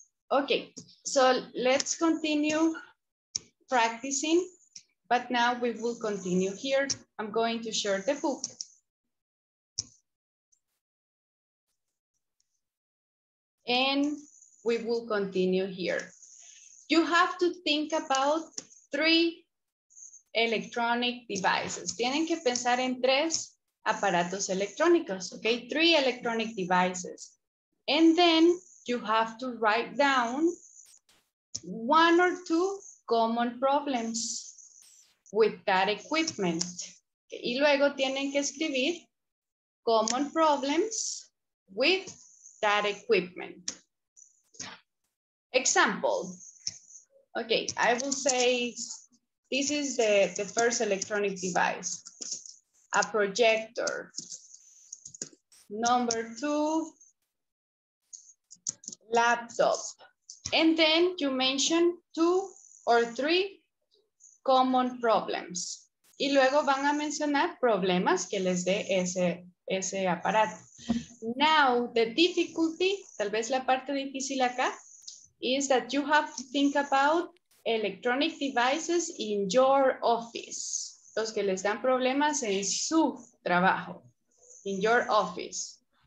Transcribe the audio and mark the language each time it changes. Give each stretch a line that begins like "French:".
English: Okay, so let's continue practicing, but now we will continue here. I'm going to share the book. And we will continue here. You have to think about three electronic devices.
Spanish: Tienen que pensar en tres aparatos electrónicos, okay?
English: Three electronic devices. And then you have to write down one or two common problems with that equipment.
Spanish: Y luego tienen que escribir
English: common problems with that equipment. Example. Okay, I will say this is the first electronic device. A projector. Number two, laptop. And then you mention two or three common problems.
Spanish: Y luego van a mencionar problemas que les dé ese aparato.
English: Now, the difficulty,
Spanish: tal vez la parte difícil acá,
English: is that you have to think about electronic devices in your office.
Spanish: Los que les dan problemas en su trabajo,
English: in your office.